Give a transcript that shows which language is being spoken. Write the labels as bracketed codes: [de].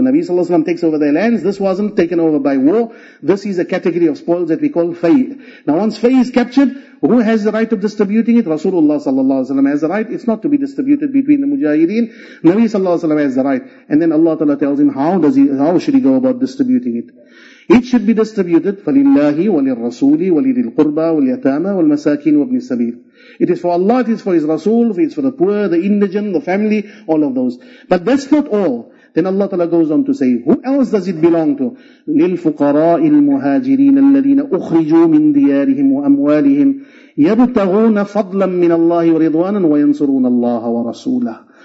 [en] Nabi sallallahu alaihi wasallam takes over their lands. This wasn't taken over by war. This is a category of spoils that we call fay. Now once fay is captured, who has the right of distributing it? Rasulullah sallallahu alaihi wasallam has the right. It's not to be distributed between the mujahideen. Nabi sallallahu alaihi wasallam has the right. And then Allah Ta'ala tells him, how should he go about distributing it? It should be distributed [ar] فَلِلَّهِ وَلِلْرَسُولِ وَلِلِ الْقُرْبَى وَالْيَتَامَى وَالْمَسَاكِينَ وَابْنِ السَّبِيلِ. [en] It is for Allah, it is for His Rasul, it is for the poor, the indigent, the family, all of those. But that's not all. Then Allah Ta'ala goes on to say, who else does it belong to? [ar] لِلْفُقَرَاءِ الْمُهَاجِرِينَ الَّذِينَ أُخْرِجُوا مِنْ دِيَارِهِمْ وَأَمْوَالِهِمْ يَبْتَغُونَ فَضْلًا مِّنَ اللَّهِ وَرِضْوَانًا وَيَنْصُرُونَ اللَّهَ وَرَسُولَهُ.